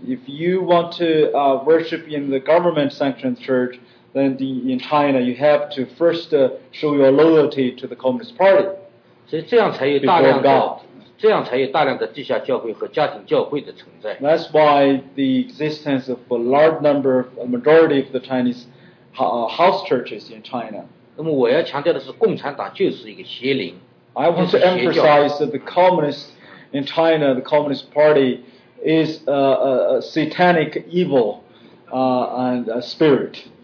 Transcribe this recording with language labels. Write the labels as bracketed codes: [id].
[en] if you want to worship in the government-sanctioned church, then in China you have to first show your loyalty to the Communist Party. [zh] 所以这样才有大量的地下教会和家庭教会的存在。 [en] That's why the existence of a large number of a majority of the Chinese house churches in China. [zh] 那么我要强调的是共产党就是一个邪灵, [en] I want to emphasize that the communist in China, the Communist Party, is a satanic evil and a spirit.